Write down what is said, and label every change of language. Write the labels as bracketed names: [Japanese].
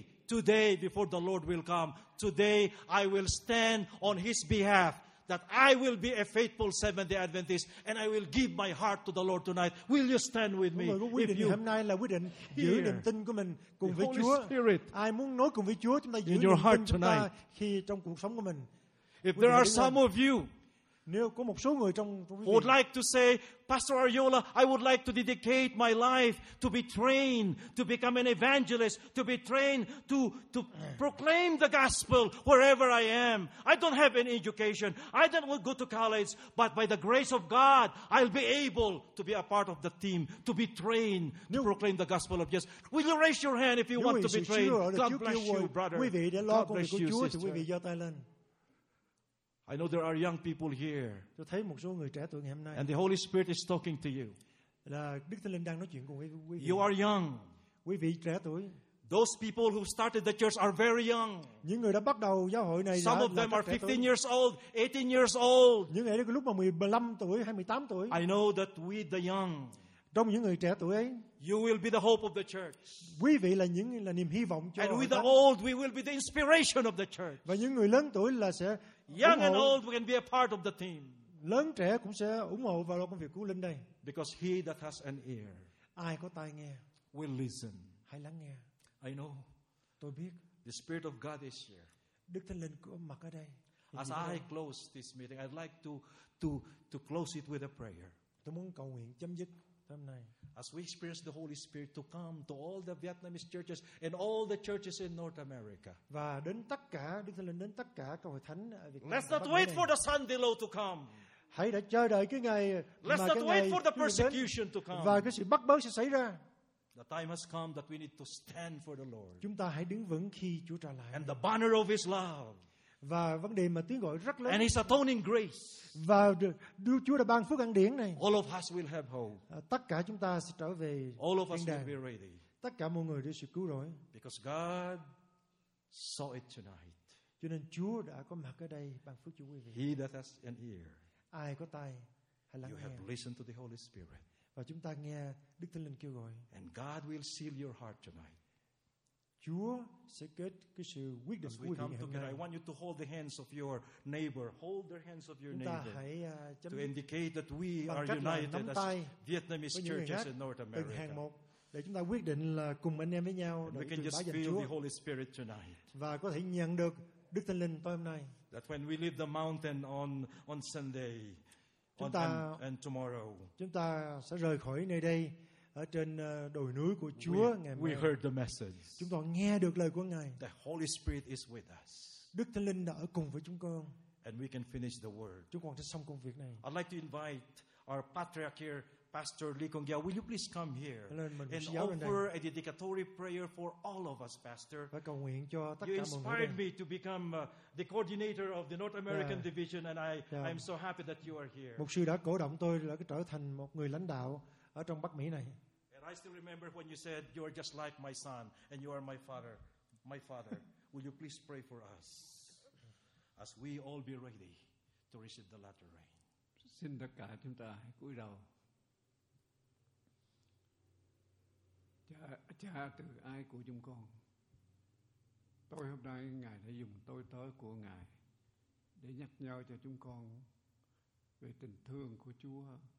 [English] Today, before the Lord will come, today I will stand on His behalf that I will be a faithful Seventh-day Adventist and I will give my heart to the Lord tonight. Will you stand with me? [Vietnamese] Quyết định hôm nay là quyết định giữ niềm tin của mình cùng với Chúa. Ai muốn nói cùng với Chúa, chúng ta giữ niềm tin chúng ta khi trong cuộc sống của mình. [English] If there are some of you [Vietnamese] Nếu có một số người trong [English] would like to say, Pastor Ariola, I would like to dedicate my life to be trained, to become an evangelist, to be trained to proclaim the gospel wherever I am. I don't have any education. I don't go to college, but by the grace of God, I'll be able to be a part of the team, to be trained to proclaim the gospel of Jesus. Will you raise your hand if you want to be trained? God bless you, brother. God bless you, sister. I know there are young people here. [Vietnamese] Tôi thấy một số người trẻ tuổi ngày hôm nay. [English] And the Holy Spirit is talking to you. [Vietnamese] Là Đức Thánh Linh đang nói chuyện cùng quý vị. [English] You are young. [Vietnamese] Quý vị trẻ tuổi. [English] Those people who started the church are very young. [Vietnamese] Những người đã bắt đầu giáo hội này [English] some of them are 15 years old, 18 years old. [Vietnamese] Những người đó lúc mà 15 tuổi hay 18 tuổi. [English] I know that we the young. [Vietnamese] Trong những người trẻ tuổi ấy, [English] you will be the hope of the church. [Vietnamese] Quý vị là những là niềm hy vọng cho. [English] And with the old, we will be the inspiration of the church. [Vietnamese] Và những người lớn tuổi là sẽ [English] young and old can be a part of the team. [Vietnamese] Lớn trẻ cũng sẽ ủng hộ vào công việc của Linh đây. [English] Because he that has an ear, [Vietnamese] ai có tai nghe, [English] will listen. [Vietnamese] Hãy lắng nghe. [English] I know. [Vietnamese] Tôi biết. [English] The Spirit of God is here. [Vietnamese] Đức Thánh Linh có mặt ở đây. [English] As I close this meeting, I'd like to close it with a prayer. [Vietnamese] Tôi muốn cầu nguyện chấm dứt. [English] As we experience the Holy Spirit to come to all the Vietnamese churches and all the churches in North America. [Vietnamese] Và đến tất cả Đức Thánh Linh đến tất cả các hội thánh ở Việt Nam. [English] Let's not wait for the Sunday low to come. [Vietnamese] Hãy đã chờ đợi cái ngày [English] let's not wait for the persecution to come. [Vietnamese] Và cái sự bắt bớ sẽ xảy ra. [English] The time has come that we need to stand for the Lord. [Vietnamese] Chúng ta hãy đứng vững khi Chúa trở lại. [English] And the banner of His love. [Vietnamese] Và vấn đề mà tiếng gọi rất lớn. [English] And His atoning grace. [Vietnamese] Và đưa Chúa đã ban phước ăn điển này. [English] All of us will have hope. [Vietnamese] Tất cả chúng ta sẽ trở về [English] all of us will be ready. [Vietnamese] Tất cả mọi người đều sẽ cứu rỗi. [English] Because God saw it tonight. [Vietnamese] Cho nên Chúa đã có mặt ở đây ban phước cho quý vị. [English] He that has an ear. [Vietnamese] Ai có tai hãy lắng you nghe. [English] You have listened to the Holy Spirit. [Vietnamese] Và chúng ta nghe Đức Thánh Linh kêu gọi. [English] And God will seal your heart tonight. [Vietnamese] Chúa sẽ kết cái sự quyết định của quý vị hôm nay. [English] I want you to hold the hands of your neighbor. Hold the hands of your neighbor. To indicate that we are united as Vietnamese churches in North America. [Vietnamese] Để chúng ta quyết định là cùng anh em với nhau để truyền bá danh Chúa. [English] The Holy Spirit tonight. [Vietnamese] Và có thể nhận được Đức Thánh Linh tối hôm nay. [English] That when we leave the mountain on Sunday and tomorrow. [Vietnamese] Chúng ta sẽ rời khỏi nơi đây. Ở trên đồi núi của Chúa [English] we heard the message. [Vietnamese] Chúng ta nghe được lời của Ngài. [English] The Holy Spirit is with us. [Vietnamese] Đức Thánh Linh đã ở cùng với chúng con. [English] And we can finish the word. [Vietnamese] Chúng con sẽ xong công việc này. [English] I'd like to invite our patriarch here, Pastor Lee Kong Giao. Will you please come here and offer a dedicatory prayer for all of us, Pastor? [Vietnamese] Và cầu nguyện cho tất cả mọi người. [English] You inspired me to become the coordinator of the North American division, and I'm so happy that you are here. [Vietnamese] Mục sư đã cổ động tôi là trở thành một người lãnh đạo. Ở trong Bắc Mỹ này. [English] And I still remember when you said you are just like my son and you are my father, will you please pray for us as we all be ready to receive the latter rain. [Vietnamese] Xin tất cả chúng ta hãy cúi đầu. Cha từ ai của chúng con. Tôi hôm nay Ngài đã dùng tôi tớ của Ngài để nhắc nhở cho chúng con về tình thương của Chúa.